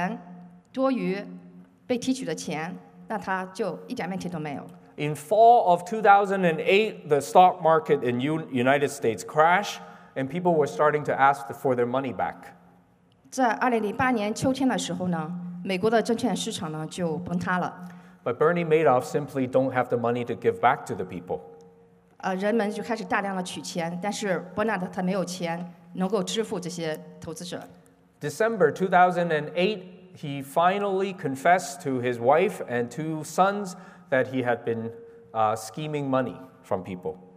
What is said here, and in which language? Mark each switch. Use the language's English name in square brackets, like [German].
[Chinese] 只要投资进来的钱多于被提取的钱, 那他就一点问题都没有。 [English] In fall of 2008, the stock market in United States crashed, and people were starting to ask for their money back. [Chinese] 在2008年秋天的时候呢, 美国的证券市场呢, 就崩塌了。 [English] But Bernie Madoff simply don't have the money to give back to the people. December 2008, he finally confessed to his wife and two sons that he had been scheming money from people.